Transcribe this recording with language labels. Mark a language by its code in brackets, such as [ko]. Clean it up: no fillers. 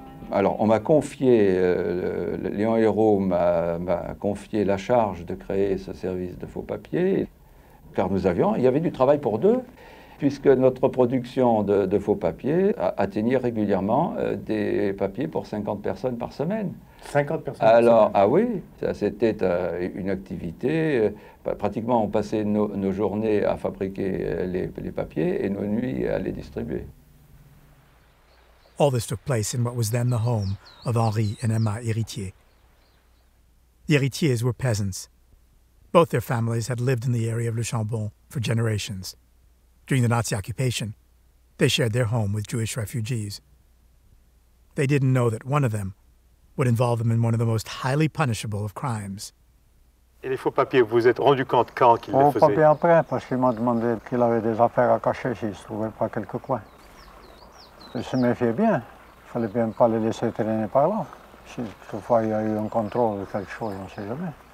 [fr] Alors, on m'a confié, Léon Hérault m'a confié la charge de créer ce service de faux papiers, car il y avait du travail pour deux, puisque notre production de faux papiers atteignait régulièrement des papiers pour 50 personnes par semaine. 50 personnes alors, par semaine. Ah oui, ça, c'était une activité. Pratiquement, on passait nos journées à fabriquer les papiers et nos nuits à les distribuer. [en] All this took place in what was then the home of Henri and Emma Héritier. The Héritiers were peasants. Both their families had lived in the area of Le Chambon for generations. During the Nazi occupation, they shared their home with Jewish refugees. They didn't know that one of them would involve them in one of the most highly punishable of crimes. [fr] Et les faux papiers, vous êtes rendu compte quand qu'il les faisait? Faux papiers après, parce qu'il m'a demandé qu'il avait des affaires à cacher s'il se trouvait pas quelque coin. Il se méfiait bien. Il fallait bien pas les laisser traîner par là. Si toutefois il y a eu un contrôle ou quelque chose, on ne sait jamais.